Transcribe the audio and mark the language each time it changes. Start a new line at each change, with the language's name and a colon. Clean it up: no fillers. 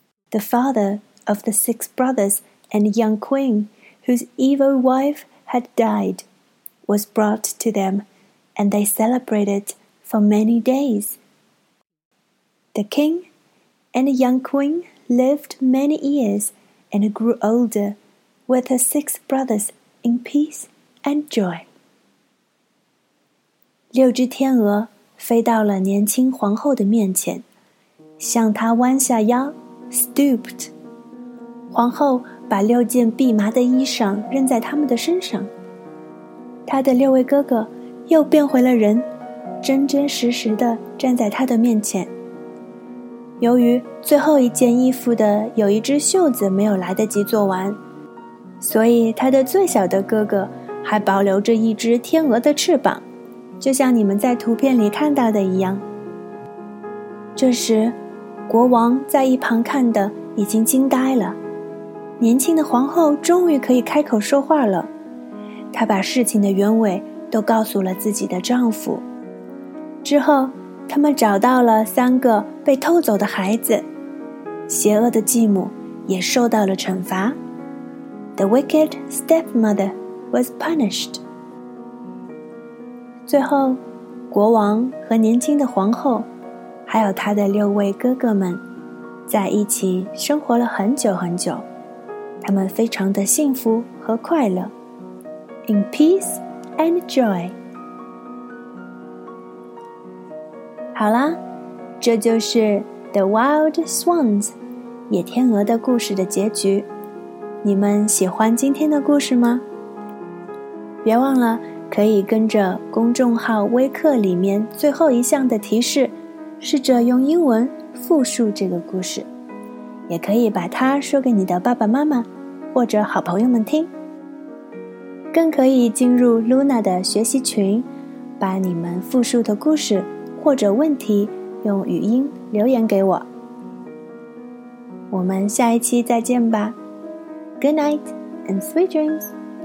English: The father of the 6 brothers and young queen, whose evil wife had died, was brought to them, and they celebrated for many days. The king and the young queen lived many years,and grew older with her 6 brothers in peace and joy.
Chinese: 6只天鹅飞到了年轻皇后的面前，向他弯下腰 stooped。皇后把六件蓖麻的衣裳扔在他们的身上，他的六位哥哥又变回了人，真真实实地站在他的面前。由于最后一件衣服的有一只袖子没有来得及做完，所以他的最小的哥哥还保留着一只天鹅的翅膀，就像你们在图片里看到的一样。这时国王在一旁看的已经惊呆了，年轻的皇后终于可以开口说话了，她把事情的原委都告诉了自己的丈夫。之后他们找到了三个被偷走的孩子，邪恶的继母也受到了惩罚。
English: The wicked stepmother was punished。
Chinese: 最后国王和年轻的皇后还有他的六位哥哥们在一起生活了很久很久，他们非常的幸福和快乐。
English: In peace and joy。
Chinese: 好啦，这就是 The Wild Swans 野天鹅的故事的结局。你们喜欢今天的故事吗？别忘了可以跟着公众号微课里面最后一项的提示，试着用英文复述这个故事，也可以把它说给你的爸爸妈妈或者好朋友们听，更可以进入 Luna 的学习群，把你们复述的故事或者问题用语音留言给我。我们下一期再见吧。
English: Good night and sweet dreams.